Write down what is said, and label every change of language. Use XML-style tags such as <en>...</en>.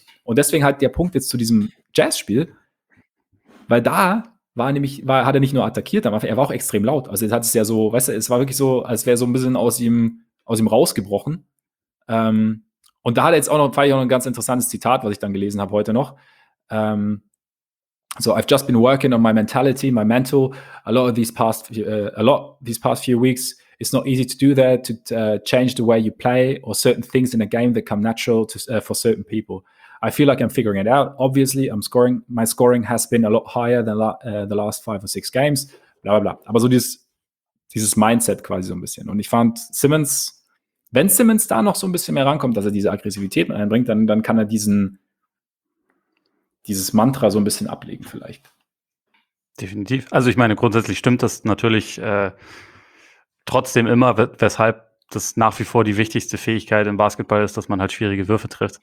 <de>Und deswegen halt der Punkt jetzt zu diesem Jazz-Spiel, weil da hat er nicht nur attackiert, er war auch extrem laut. Also jetzt hat es ja so, weißt du, es war wirklich so, als wäre so ein bisschen aus ihm rausgebrochen. Und da hat er jetzt auch noch, fand ich auch noch ein ganz interessantes Zitat, was ich dann gelesen habe heute noch.</de> <en>So, I've just been working on my mentality, my mental, a lot of these past few weeks, it's not easy to do that, to change the way you play or certain things in a game that come natural to, for certain people. I feel like I'm figuring it out. Obviously, my scoring has been a lot higher than the last 5 or 6 games, bla bla bla.</en> <de>Aber so dieses Mindset quasi so ein bisschen. Und ich fand Simmons, wenn Simmons da noch so ein bisschen mehr rankommt, dass er diese Aggressivität einbringt, dann kann er dieses Mantra so ein bisschen ablegen vielleicht. Definitiv. Also ich meine, grundsätzlich stimmt das natürlich trotzdem immer, weshalb das nach wie vor die wichtigste Fähigkeit im Basketball ist, dass man halt schwierige Würfe trifft.</de>